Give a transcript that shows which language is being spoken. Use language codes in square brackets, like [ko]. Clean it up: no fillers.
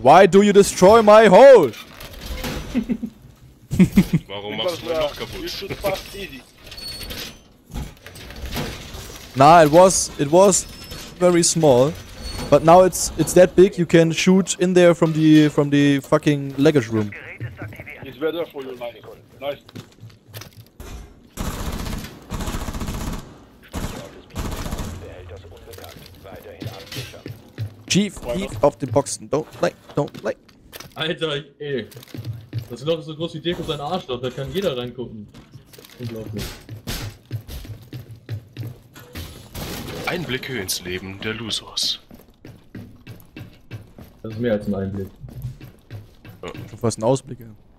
[en] Why do you destroy my hole? [de] Warum machst du mein Loch kaputt? [en] Nah, it was very small, but now it's that big you can shoot in there from the fucking luggage room. It's better for your nice. Chief of the Boxen, don't like. [de] Alter, ey. Das Loch ist so groß wie Deko sein Arschloch, da kann jeder reingucken. Unglaublich. Einblicke ins Leben der Losers. Das ist mehr als ein Einblick. Ja. Schon fast ein Ausblick, ja.